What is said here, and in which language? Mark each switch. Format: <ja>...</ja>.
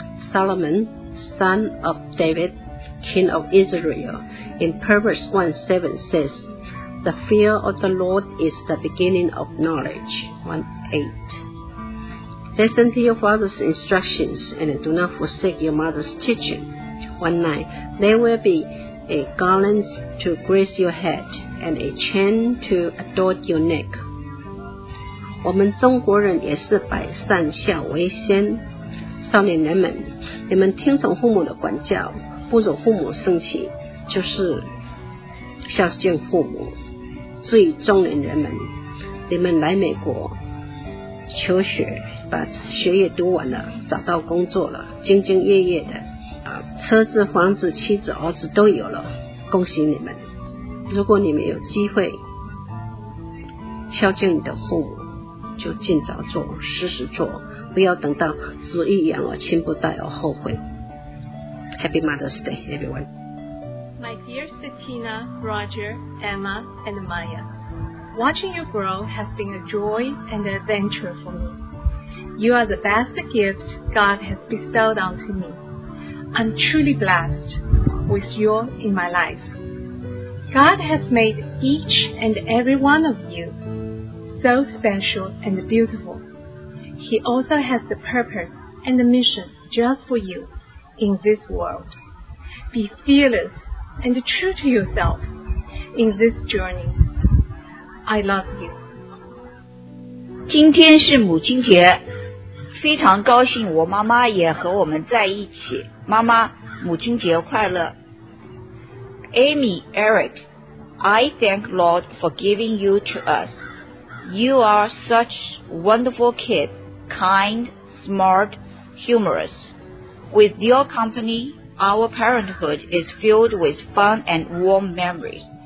<en>Solomon, son of David, king of Israel, in Proverbs 1:7 says, "The fear of the Lord is the beginning of knowledge." 1:8. Listen to your father's instructions and do not forsake your mother's teaching. 1:9. There will be a garland to grace your head and a chain to adorn your neck.</en> <zh>我们中国人也是百善孝为先。少年人们，你们听从父母的管教，不惹父母生气，就是孝敬父母。至于中年人们，你们来美国求学，把学业读完了，找到工作了，兢兢业业的，车子、房子、妻子、儿子都有了，恭喜你们！如果你们有机会孝敬你的父母，就尽早做，时时做，不要等到子欲养而亲不待而后悔。</zh> <en>Happy Mother's Day, everyone. My dear Satina, Roger, Emma, and Maya, watching you grow has been a joy and an adventure for me. You are the best gift God has bestowed onto me. I'm truly blessed with you in my life. God has made each and every one of you so special and beautiful. He also has the purpose and the mission just for you in this world. Be fearless and true to yourself in this journey. I love you.</en> <zh>今天是母亲节，非常高兴我妈妈也和我们在一起。妈妈，母亲节快乐。</zh> <en>Amy, Eric, I thank Lord for giving you to us. You are such wonderful kid, kind, smart, humorous. With your company, our parenthood is filled with fun and warm memories.</en>